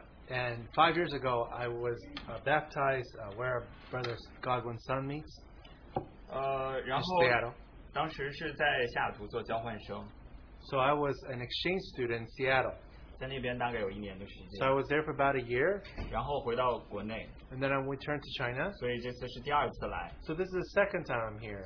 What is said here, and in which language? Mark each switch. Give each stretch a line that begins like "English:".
English: And 5 years ago, I was baptized where Brother Godwin Sun meets.
Chinese: 然后当时是在夏图做交换生。
English: So I was an exchange student in Seattle.
Chinese: 在那边大概有一年的时间。
English: So I was there for about a year.
Chinese: 然后回到国内。
English: And then I returned to China.
Chinese: 所以这次是第二次来。
English: So this is the second time I'm here.